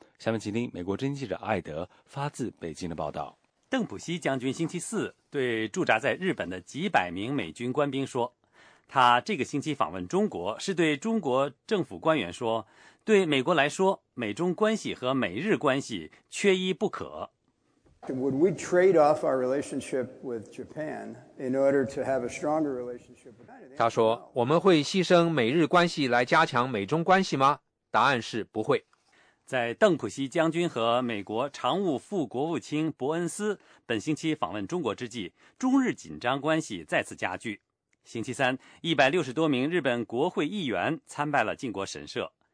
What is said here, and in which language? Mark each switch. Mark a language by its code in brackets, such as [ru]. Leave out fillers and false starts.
[zh] 下面请听美国之音记者艾德发自北京的报道。邓普西将军星期四对驻扎在日本的几百名美军官兵说，他这个星期访问中国是对中国政府官员说，对美国来说，美中关系和美日关系缺一不可。 [en] Would we trade off our relationship with Japan in order to have a stronger relationship with China? [zh] 他说，我们会牺牲美日关系来加强美中关系吗？答案是不会。在邓普西将军和美国常务副国务卿伯恩斯本星期访问中国之际，中日紧张关系再次加剧。星期三，160多名日本国会议员参拜了靖国神社。